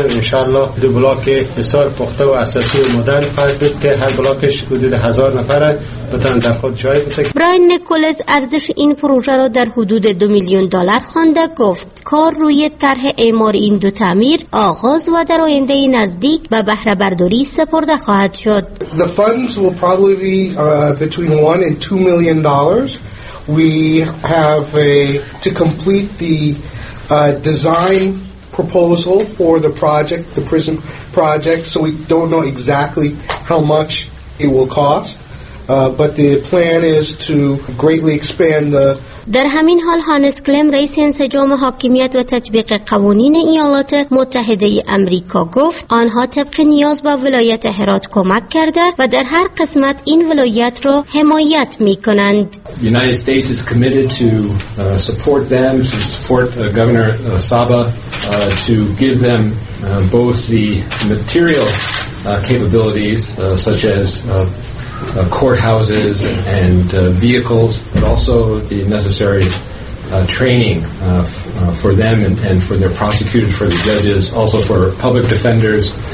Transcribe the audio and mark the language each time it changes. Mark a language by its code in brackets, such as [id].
[fa] انشاءالله دو بلاک بسیار پخته و اساسی و مدرن خواهد بود که هر بلاکش حدود 1000 نفره بتونن در خود جای بسکن. براین نیکولز ارزش این پروژه را در حدود 2 میلیون دلار خوانده، گفت کار روی طرح اعمار این دو تعمیر آغاز و در آینده نزدیک به بهره برداری سپرده خواهد شد. [en] The funds will probably be between $1 and $2 million. We have to complete the design proposal for the project, the prison project, so we don't know exactly how much it will cost, but the plan is to greatly expand the. [fa] در همین حال هانس کلم رئیس انسجام حاکمیت و تطبیق قوانین ایالات متحده آمریکا گفت آنها طبق نیاز به ولایت هرات کمک کرده و در هر قسمت این ولایت را حمایت می‌کنند. [en] United States is committed to support them, to support Governor Saba, to give them both the material capabilities such as courthouses and vehicles, but also the necessary training for them and for their prosecutors, for the judges, also for public defenders,